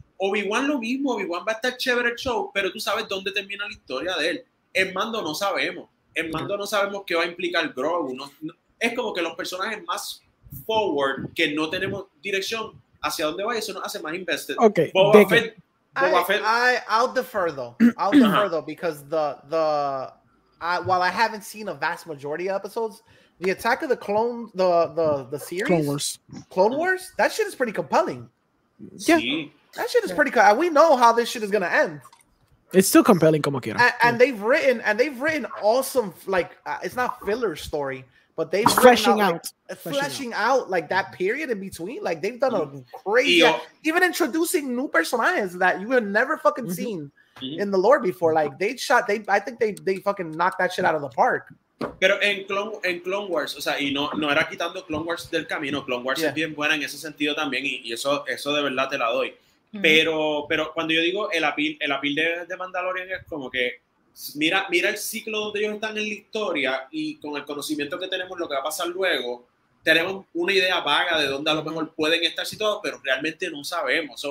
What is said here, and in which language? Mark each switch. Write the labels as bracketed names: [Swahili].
[Spanish] Obi-Wan lo mismo, Obi-Wan va a estar chévere el show, pero tú sabes dónde termina la historia de él. En Mando no sabemos. En Mando no sabemos qué va a implicar Grogu. No, no, es como que los personajes más forward, que no tenemos dirección hacia dónde va, y eso nos hace más invested. [English] Okay, I'll defer though, because while I haven't seen a vast majority of episodes, the Attack of the Clone, the series, Clone Wars, that shit is pretty compelling. Yeah, that shit is pretty cool. We know how this shit is gonna end. It's still compelling, [Spanish] como quiera. [English] And they've written awesome, like, it's not filler story, but they've fleshing out like that period in between. Like, they've done a crazy, even introducing new personages that you have never fucking seen in the lore before. Like, I think they fucking knocked that shit out of the park. [Spanish] Pero en Clone Wars, o sea, y no era quitando Clone Wars del camino. Clone Wars es bien buena en ese sentido también, y eso de verdad te la doy. Pero cuando yo digo el apil de Mandalorian es como que mira el ciclo donde ellos están en la historia, y con el conocimiento que tenemos lo que va a pasar luego, tenemos una idea vaga de dónde a lo mejor pueden estar situados, pero realmente no sabemos.